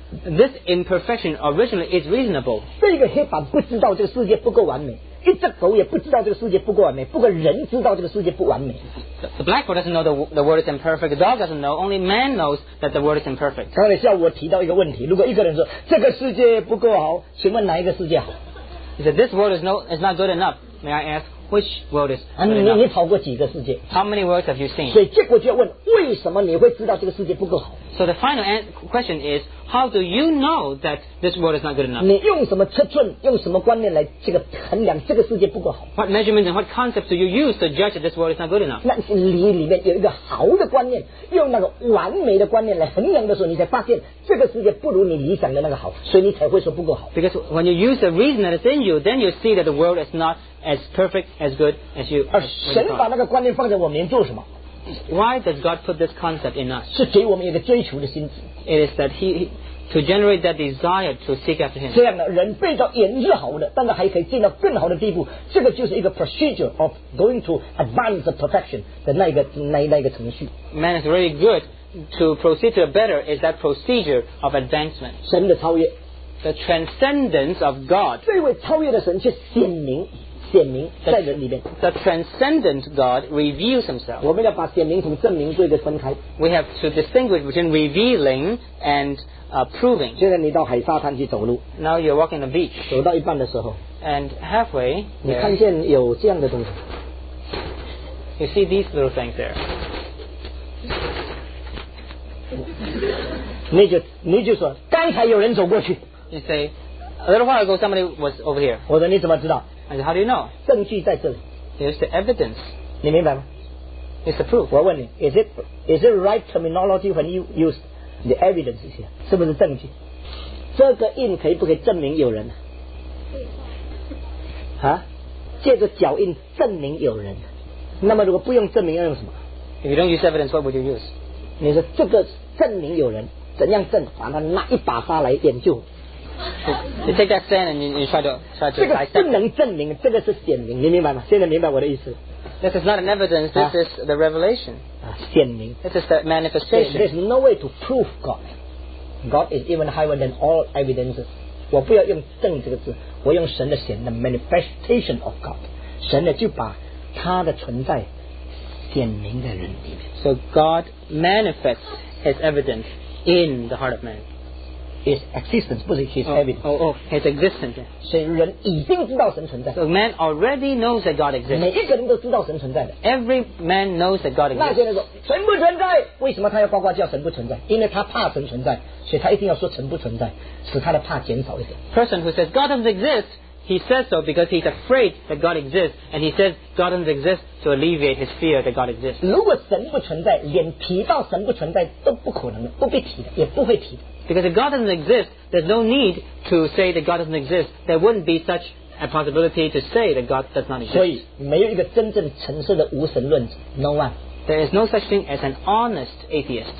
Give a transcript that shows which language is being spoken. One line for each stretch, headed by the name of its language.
English: This imperfection originally is reasonable.
Chinese: 这个黑板不知道这个世界不够完美，一只狗也不知道这个世界不够完美，不过人知道这个世界不完美。
English: The blackboard doesn't know the world is imperfect. The dog doesn't know. Only man knows that the world is imperfect.
Chinese: 刚才下午我提到一个问题，如果一个人说这个世界不够好，请问哪一个世界好？
English: He said this world is not good enough. May I ask? Which world is?
Chinese: 你跑过几个世界
English: ？How many worlds have you seen?
Chinese: 所以结果就要问，为什么你会知道这个世界不够好
English: ？So the final question is, how do you know that this world is not good enough?
Chinese: 你用什么尺寸，用什么观念来这个衡量这个世界不够好
English: ？What measurements and what concepts do you use to judge that this world is not good enough?
Chinese: 那是你里面有一个好的观念，用那个完美的观念来衡量的时候，你才发现这个世界不如你理想的那个好，所以你才会说不够好。
English: Because when you use the reason that is in you, then you see that the world is not. As perfect, as good as you.
Chinese: 而神把那个观念放在我们做什么
English: ？Why does God put this concept in us?
Chinese: 是给我们一个追求的心。
English: It is that he to generate that desire to seek after him.
Chinese: 这样呢，人被造也是好的，但是还可以进到更好的地步。这个就是一个
English: procedure of going to advance perfection
Chinese: 的那一个程序。
English: Man is really good to proceed to a better is that procedure of advancement.
Chinese: 神的超越
English: ，the transcendence of God.
Chinese: 这位超越的神却显明。显明在人里面
English: the transcendent God reveals himself.
Chinese: 我们要把显明从证明做一个分开。
English: We have to distinguish between revealing and proving.
Chinese: 现在你到海沙滩去走路。
English: Now you're walking the beach.
Chinese: 走到一半的时候。
English: And halfway,
Chinese: 你看见有这样的东西。
English: You see these little things there.
Chinese: 你就说刚才有人走过去。
English: You say, a little while ago somebody was over here.
Chinese: 我说你怎么知道？
English: I said, how do you know?
Chinese: 证据在这里。
English: Here's the evidence.
Chinese: 你明白吗？
English: It's the proof.
Chinese: 我问你，
English: is it right terminology when you use the evidence here?
Chinese: 是不是证据？这个印可以不可以证明有人？啊？借着脚印证明有人。那么如果不用证明要用什么？
English: If you don't use evidence, what would you use?
Chinese: 你说这个证明有人，怎样证？把他拿一把沙来研究。
English: You take that sand and you try to.
Chinese: 这个不能证明，这个是显明，你明白吗？现在明白我的意思。
English: This is not an evidence. This is the revelation.
Chinese: 显明。
English: This is the manifestation. There's no way to prove God. God is even higher than all evidences.
Chinese: 我不要用证这个字，我用神的显 ，
English: the manifestation of God.
Chinese: 神呢就把他的存在显明在人里面。
English: So God manifests His evidence in the heart of man. His existence,
Chinese: 不是
English: his evidence. His existence.
Chinese: 所以人已经知道神存在。
English: So man already knows that God exists.
Chinese: 每一个人都知道神存在的。
English: Every man knows that God exists.
Chinese: 那些人说神不存在，为什么他要呱呱叫神不存在？因为他怕神存在，所以他一定要说神不存在，使他的怕减少一点。
English: Person who says God doesn't exist, he says so because he's afraid that God exists, and he says God doesn't exist to alleviate his fear that God exists.
Chinese: 如果神不存在，连提到神不存在都不可能的，不必提的，也不会提的。
English: Because if God doesn't exist, there's no need to say that God doesn't exist. There wouldn't be such a possibility to say that God does not exist.
Chinese: 所以没有一个真正诚实的无神论者 ，
English: no one. There is no such thing as an honest atheist.